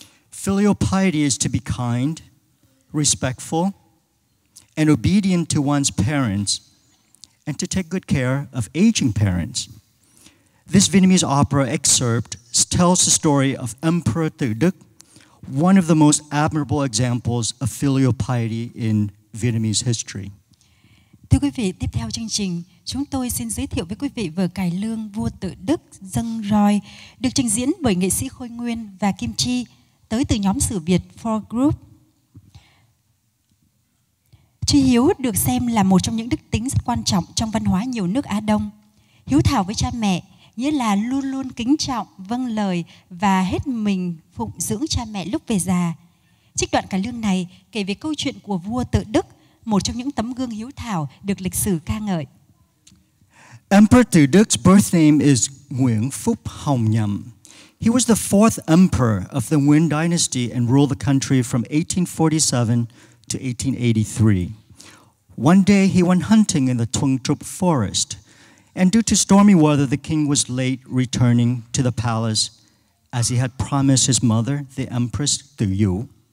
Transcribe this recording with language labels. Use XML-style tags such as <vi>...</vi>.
<en>Filial piety is to be kind, respectful, and obedient to one's parents, and to take good care of aging parents. This Vietnamese opera excerpt tells the story of Emperor Tử Đức, one of the most admirable examples of filial piety in Vietnamese history.</en> <vi>Thưa quý vị, tiếp theo chương trình, chúng tôi xin giới thiệu với quý vị vở cải lương Vua Tử Đức Dâng Roi, được trình diễn bởi nghệ sĩ Khôi Nguyên và Kim Chi, tới từ nhóm sử Việt Four Group. Chi Hiếu được xem là một trong những đức tính rất quan trọng trong văn hóa nhiều nước Á Đông. Hiếu thảo với cha mẹ, nghĩa là luôn luôn kính trọng, vâng lời và hết mình phụng dưỡng cha mẹ lúc về già. Trích đoạn cải lương này kể về câu chuyện của Vua Tử Đức, một trong những tấm gương hiếu thảo được lịch sử ca ngợi.</vi> <en>Emperor Tử Đức's birth name is Nguyễn Phúc Hồng Nhậm. He was the fourth emperor of the Nguyên dynasty and ruled the country from 1847 to 1883. One day he went hunting in the Thuong Trup forest, and due to stormy weather, the king was late returning to the palace as he had promised his mother, the Empress Tử Yu.</en>